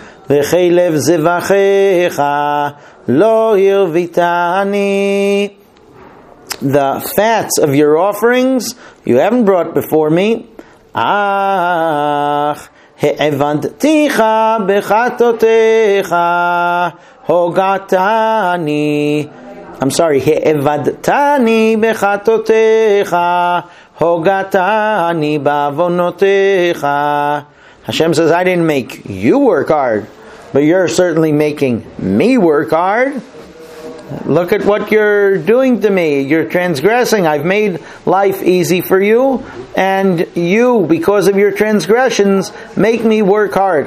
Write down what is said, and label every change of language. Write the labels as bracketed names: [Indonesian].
[Hebrew] וחלב זבחיך לא הרביתני. [English] The fats of your offerings you haven't brought before me. [Hebrew] אך העבדתיך בחטותיך הוגעתני. [English] I'm sorry, [Hebrew] העבדתני בחטותיך הוגעתני בעוונותיך. [English] Hashem says, I didn't make you work hard, but you're certainly making me work hard. Look at what you're doing to me. You're transgressing. I've made life easy for you, and you, because of your transgressions, make me work hard.